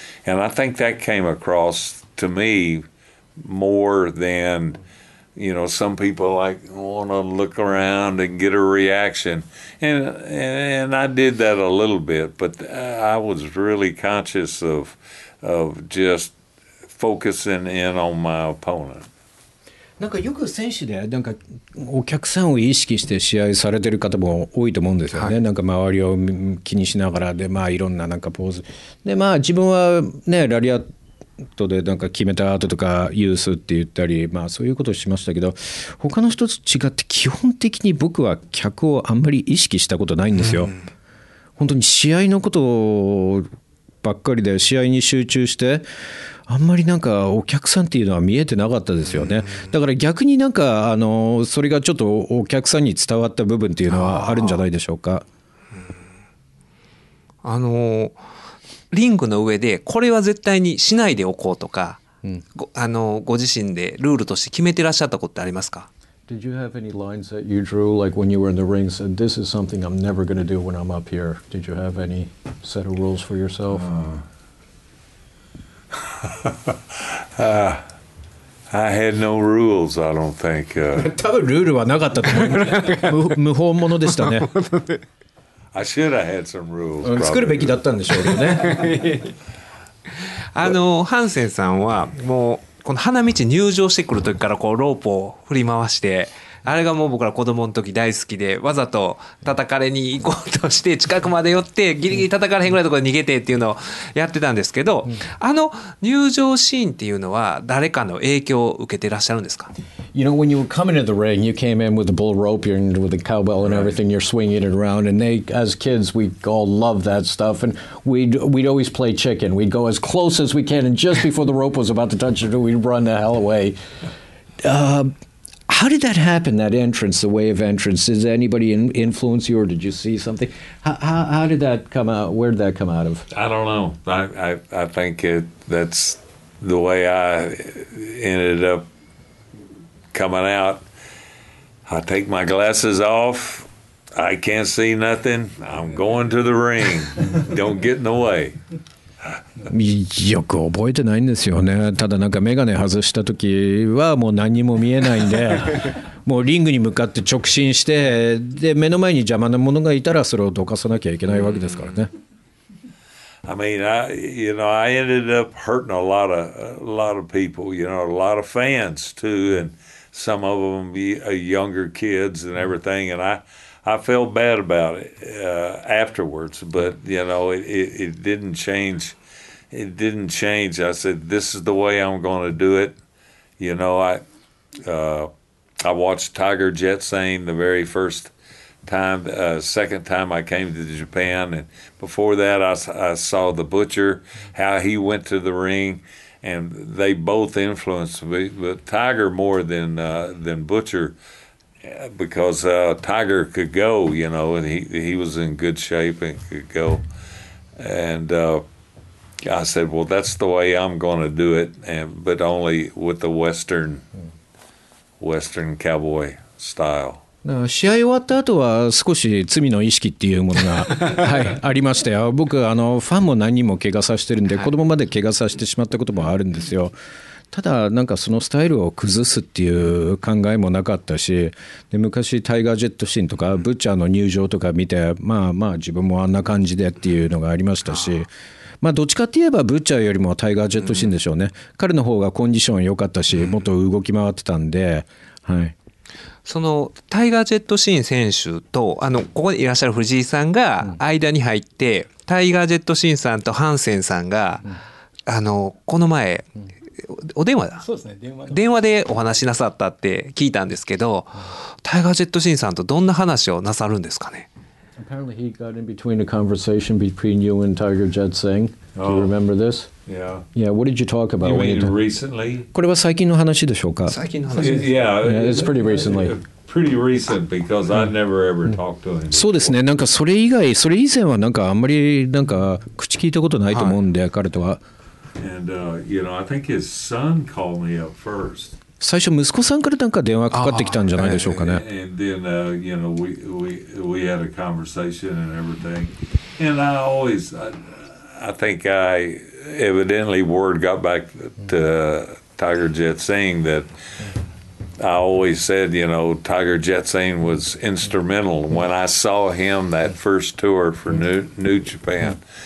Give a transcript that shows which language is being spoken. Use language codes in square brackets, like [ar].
[en] And I think that came across to me more than, you know, some people like want to look around and get a reaction, and I did that a little bit, but I was really conscious of just focusing in on my opponent. [ja] なんかよく選手でなんかお客さんを意識して試合されてる方も多いと思うんですよね、はい、なんか周りを気にしながらで、まあ、いろんななんかポーズで、まあ、自分は、ね、ラリアとでなんか決めた後とかユースって言ったり、まあ、そういうことをしましたけど、他の人と違って基本的に僕は客をあんまり意識したことないんですよ、うん、本当に試合のことばっかりで試合に集中して、あんまりなんかお客さんっていうのは見えてなかったですよね、うん、だから逆になんかそれがちょっとお客さんに伝わった部分っていうのはあるんじゃないでしょうか。リングの上でこれは絶対にしないでおこうとか、うん、ご自身でルールとして決めてらっしゃったことってありますか。 [en] Did you have any lines that you drew like when you were in the ring said this is something I'm never going to do when I'm up here? Did you have any set of rules for yourself? I had no rules, I don't think. [ja] 多分ルールはなかったと思う。無法者でしたね。 [en] I should have had some rules. [ja] 作るべきだったんでしょうけどね。ハンセンさんはもうこの花道入場してくる時からこうロープを振り回して、あれがもう僕ら子供の時大好きで、わざと叩かれに行こうとして近くまで寄ってギリギリ叩かれへんぐらいのところで逃げてっていうのをやってたんですけど、あの入場シーンっていうのは誰かの影響を受けてらっしゃるんですか？ [en] You know, when you were coming to the ring, you came in with the bull rope and with the cowbell and everything, you're swinging it around, and they, as kids, we all loved that stuff, and we'd always play chicken. We'd go as close as we can, and just before the rope was about to touch it, we'd run the hell away. How did that happen, that entrance, the way of entrance? Did anybody influence you, or did you see something? How did that come out? Where did that come out of? I don't know. I think it, that's the way I ended up coming out. I take my glasses off. I can't see nothing. I'm going to the ring. Don't get in the way. [ja] よく覚えてないんですよね。ただなんかメガネ外した時はもう何にも見えないんで、もうリングに向かって直進して、で目の前に邪魔なものがいたらそれをどかさなきゃいけないわけですからね。 [en] I mean, you know, I ended up hurting a lot of people, you know, a lot of fans too, and some of them younger kids and everything, and I felt bad about it afterwards, but you know, it didn't change. It didn't change. I said, "This is the way I'm going to do it." You know, I watched Tiger Jet Sane the very first time, second time I came to Japan, and before that, I saw the Butcher, how he went to the ring, and they both influenced me, but Tiger more than Butcher. Because Tiger could go, you know, and he was in good shape and could go. And I said, well, that's the way I'm going to do it, but only with the Western cowboy style. [ja] 試合終わった後は少し罪の意識っていうものが、はい、ありましたよ。僕あのファンも何人も怪我させてるんで、子供まで怪我させてしまったこともあるんですよ。ただなんかそのスタイルを崩すっていう考えもなかったし、で昔タイガージェットシーンとかブッチャーの入場とか見て、まあまあ自分もあんな感じでっていうのがありましたし、まあどっちかって言えばブッチャーよりもタイガージェットシーンでしょうね。彼の方がコンディション良かったし、もっと動き回ってたんで、はい。そのタイガージェットシーン選手とあのここにいらっしゃる藤井さんが間に入って、タイガージェットシーンさんとハンセンさんがあのこの前、お電話だ。そうですね、電話でお話しなさったって聞いたんですけど、タイガージェットシーンさんとどんな話をなさるんですかね。 [en] Apparently he got in between a conversation between you and Tiger Jet Singh. Do you remember this? Yeah. Yeah. What did you talk about? You mean recently? [ja] これは最近の話でしょうか。最近の話。 [en] Yeah. It's pretty recently. Pretty recent because I never ever talked to him. [ja] そうですね。なんかそれ以外、それ以前はなんかあんまりなんか口聞いたことないと思うんで、彼とは。 [en] And you know, I think his son called me up first. [ja] 最初息子さんからなんか電話かかってきたんじゃないでしょうかね。 [en] And then you know, we had a conversation and everything. And I always, I think I evidently word got back to Tiger Jet saying that I always said, you know, Tiger Jet Sane was instrumental when I saw him that first tour for New Japan.